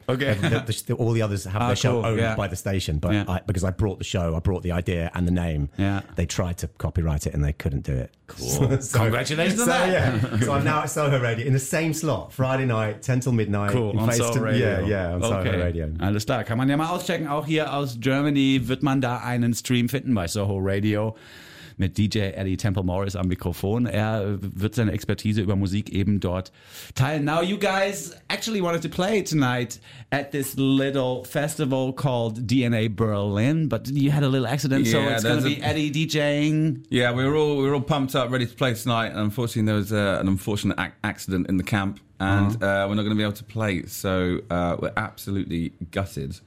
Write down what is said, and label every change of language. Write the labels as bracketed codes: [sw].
[en] Okay, all the others have their show owned by the station, but because I brought the show, I brought the idea and the name. Yeah, they tried to copyright it and they couldn't do it. Cool. Congratulations on that. Yeah. So I'm now at Soho Radio in the same slot, Friday night, 10 till midnight. Cool. On Soho Radio. Soho Radio. [de] Alles klar. Kann man ja mal auschecken. Auch hier aus Germany wird man da einen Stream finden bei Soho Radio. Mit DJ Eddie Temple-Morris am Mikrofon. Er wird seine Expertise über Musik eben dort teilen. [en] Now, you guys actually wanted to play tonight at this little festival called DNA Berlin, but you had a little accident, so it's going to be Eddie DJing. Yeah, we were all pumped up, ready to play tonight, and unfortunately there was an unfortunate accident in the camp, and we're not going to be able to play, so we're absolutely gutted.